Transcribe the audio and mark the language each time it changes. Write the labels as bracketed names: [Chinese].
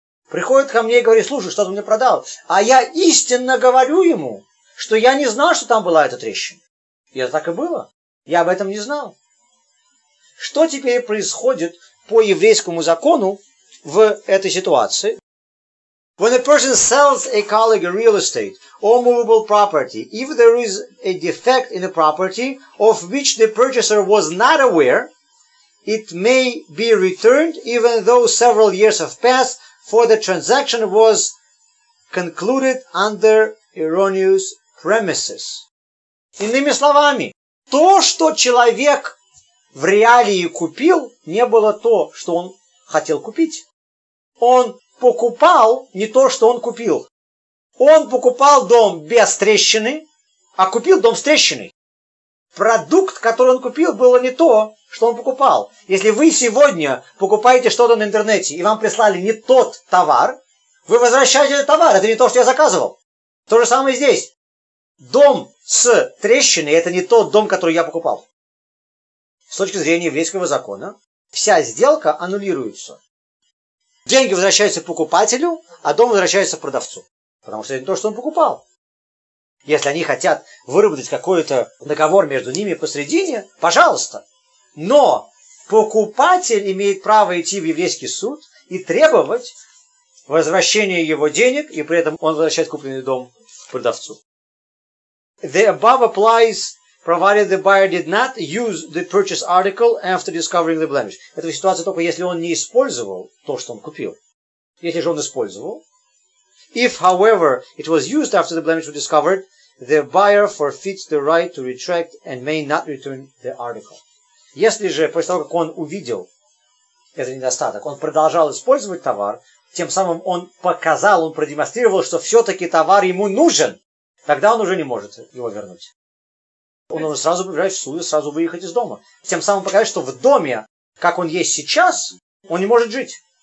[Russian] Приходит ко мне и говорит, слушай, что ты мне продал? А я истинно говорю ему, что я не знал, что там была эта трещина. И это так и было. Я об этом не знал. Что теперь происходит по еврейскому закону в этой ситуации? [English] When a person sells a colleague real estate or movable property, if there is a defect in the property of which the purchaser was not aware, it may be returned even though several years have passed, for the transaction was concluded under erroneous premises. [Russian] Иными словами, то, что человек в реалии купил, не было то, что он хотел купить. Он покупал не то, что он купил. Он покупал дом без трещины, а купил дом с трещиной. Продукт, который он купил, было не то, что он покупал. Если вы сегодня покупаете что-то на интернете, и вам прислали не тот товар, вы возвращаете этот товар, это не то, что я заказывал. То же самое здесь. Дом с трещиной – это не тот дом, который я покупал. С точки зрения еврейского закона, вся сделка аннулируется. Деньги возвращаются покупателю, а дом возвращается продавцу. Потому что это не то, что он покупал. Если они хотят выработать какой-то договор между ними посредине, пожалуйста. Но покупатель имеет право идти в еврейский суд и требовать возвращения его денег, и при этом он возвращает купленный дом продавцу. [English] The above applies, provided the buyer did not use the purchase article after discovering the blemish. [Russian] Это ситуация только если он не использовал то, что он купил. Если же он использовал. [English] If, however, it was used after the blemish was discovered, the buyer forfeits the right to retract and may not return the article. [Russian] Если же после того, как он увидел этот недостаток, он продолжал использовать товар, тем самым он показал, он продемонстрировал, что все-таки товар ему нужен, тогда он уже не может его вернуть. Он уже сразу побежать в суд и сразу выехать из дома. Тем самым показать, что в доме, как он есть сейчас, он не может жить.